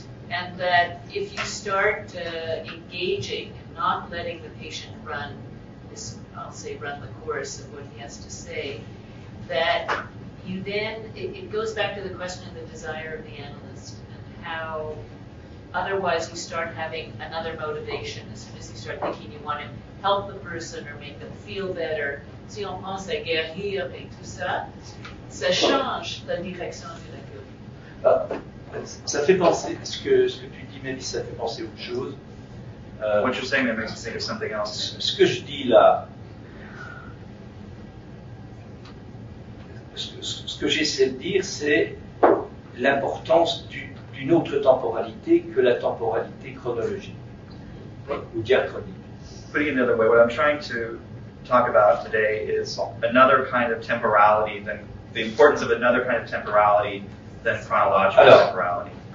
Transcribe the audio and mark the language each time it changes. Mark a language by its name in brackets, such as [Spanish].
[English] And that if you start engaging and not letting the patient run, this, I'll say run the course of what he has to say, that you then, it goes back to the question of the desire of the analyst and how otherwise you start having another motivation as soon as you start thinking you want to help the person or make them feel better. [French] Si on pense à guérir et tout ça, ça change la direction de la cure. Ça fait penser à ce que tu dis, Mélisse, ça fait penser à autre chose. [English] What you're saying, that makes me think of something else. [French] Ce que je dis là, ce que j'essaie de dire, c'est l'importance d'une autre temporalité que la temporalité chronologique, ou diachronique. [English] Putting it another way, what I'm trying to talk about today is another kind of temporality, the importance of another kind of temporality than chronological temporality.